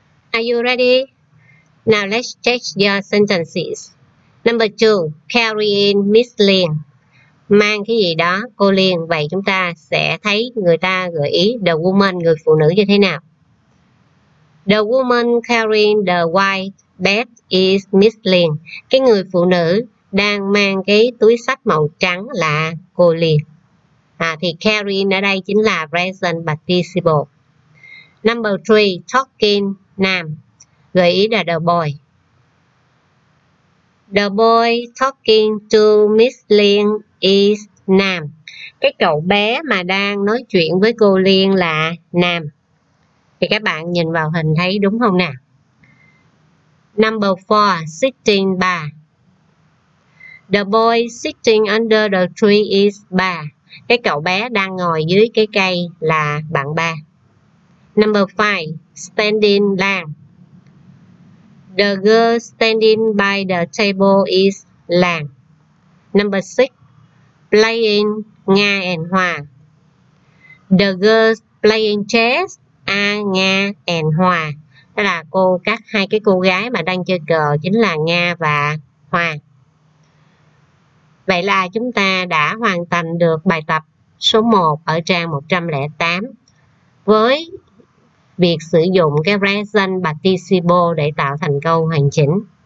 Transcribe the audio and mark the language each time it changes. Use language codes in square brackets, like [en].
[en] Are you ready? Now let's check your sentences. Number 2, carry in Miss Liên. [vi] Mang cái gì đó, cô Liên. Vậy chúng ta sẽ thấy người ta gợi ý the woman, người phụ nữ như thế nào. [en] The woman carrying the white bag is Miss Liên. [vi] Cái người phụ nữ đang mang cái túi sách màu trắng là cô Liên. À, thì carrying ở đây chính là present participle. [en] Number 3, talking nam, [vi] gợi ý là [en] the boy. The boy talking to Miss Liên is nam. [vi] Cái cậu bé mà đang nói chuyện với cô Liên là nam. Thì các bạn nhìn vào hình thấy đúng không nào? [en] Number 4, sitting bar. The boy sitting under the tree is ba. [vi] Cái cậu bé đang ngồi dưới cái cây là bạn ba. [en] Number 5, standing lamb. The girl standing by the table is lamb. Number 6, playing Nga and Hòa. The girl playing chess are Nga and Hòa. [vi] Đó là cô, các hai cái cô gái mà đang chơi cờ chính là Nga và Hòa. Vậy là chúng ta đã hoàn thành được bài tập số 1 ở trang 108 với việc sử dụng cái present participle để tạo thành câu hoàn chỉnh.